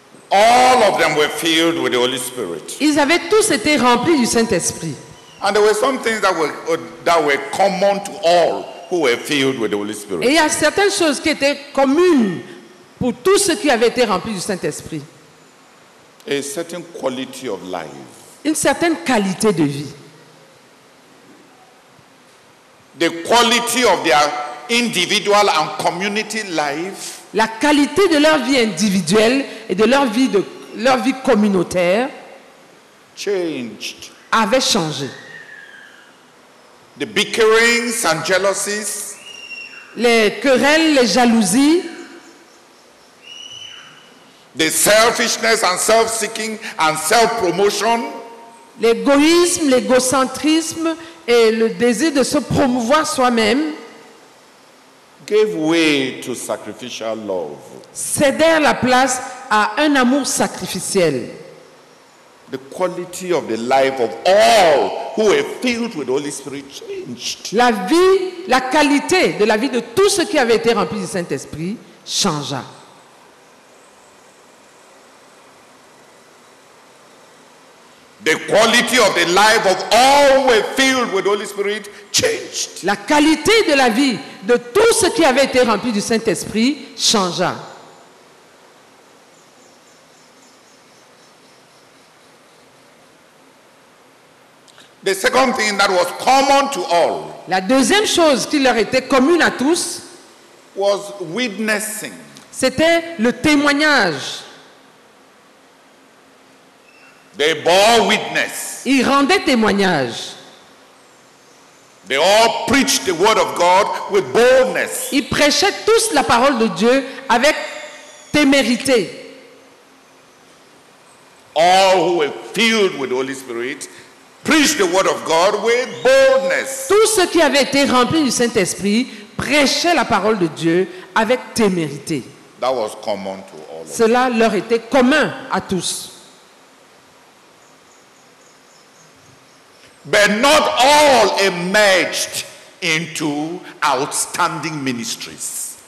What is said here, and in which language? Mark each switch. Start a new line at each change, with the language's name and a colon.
English: All of them were filled with the Holy Spirit.
French: Ils avaient tous été remplis du Saint-Esprit.
English: And there were some things that were common to all who were filled with the Holy Spirit.
French: Et il y a certaines choses qui étaient communes pour tous ceux qui avaient été remplis du Saint-Esprit.
English: A certain quality of life.
French: Une certaine qualité de vie.
English: The quality of their individual and community life.
French: La qualité de leur vie individuelle et de leur vie communautaire
English: changed.
French: Avait changé.
English: The bickerings and jealousies,
French: les querelles, les jalousies,
English: the selfishness and self-seeking and self-promotion,
French: l'égoïsme, l'égocentrisme et le désir de se promouvoir soi-même
English: gave way to sacrificial love.
French: Cédèrent la place à un amour sacrificiel.
English: The quality of the life of all who were filled with the Holy Spirit changed.
French: La vie, la qualité de la vie de tous ceux qui avaient été remplis du Saint-Esprit changea.
English: The quality of the life of all who were filled with the Holy Spirit changed.
French: La qualité de la vie de tous ceux qui avaient été remplis du Saint-Esprit changea.
English: The second thing that was common to all,
French: la deuxième chose qui leur était commune à tous,
English: was witnessing.
French: C'était le témoignage.
English: They bore witness.
French: Ils rendaient témoignage.
English: They all preached the word of God with boldness.
French: Ils prêchaient tous la parole de Dieu avec témérité.
English: All who were filled with the Holy Spirit preached the word of God with boldness.
French: Tous ceux qui avaient été remplis du Saint-Esprit prêchaient la parole de Dieu avec témérité.
English: That was common to all.
French: Cela leur était commun à tous.
English: But not all emerged into outstanding ministries.